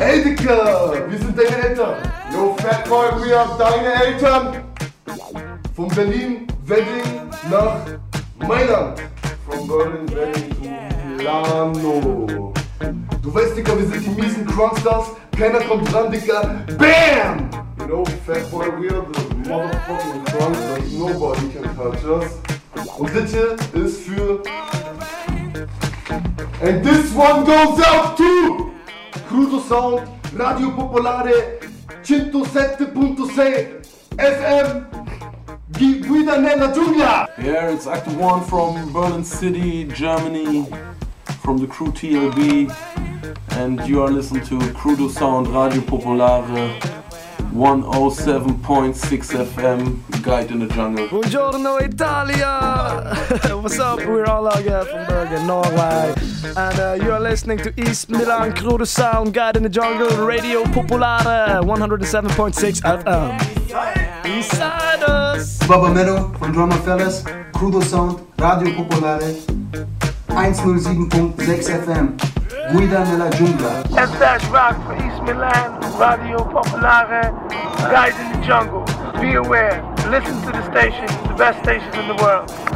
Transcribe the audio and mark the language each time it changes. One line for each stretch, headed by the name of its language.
German: Hey, wir sind Terminator.
English: Yo, Fat Boy, we are
German: deine Eltern.
English: From Berlin, Wedding,
German: nach Mailand.
English: From Berlin, Wedding to Milano.
German: Du weißt, Dicker, wir sind die miesen Crunchstars. Keiner kommt dran, Dicker. Bam!
English: You know, Fat Boy, we are the motherfucking Crunchstars. Nobody can touch us.
German: Und das hier ist für...
English: And this one goes out to...
Italian: Crudo Sound, Radio Popolare, 107.6 FM, Guida nella Giulia!
English: Yeah, it's Actor 1 from Berlin City, Germany. From the crew TLB, and you are listening to Crudo Sound Radio Popolare 107.6 FM, Guide in the Jungle.
Italian: Buongiorno Italia!
English: What's up? We're all here from Bergen, Norway. And you are listening to East Milan Crudo Sound Guide in the Jungle Radio Popolare 107.6 FM. Inside us! Baba Meadow from Drama Fellas.
Italian: Crudo Sound, Radio Popolare, 107.6 FM, Guida nella Giungla.
English: And that's rock for East Milan, Radio Popolare, Guide in the Jungle. Be aware, listen to the station, the best station in the world.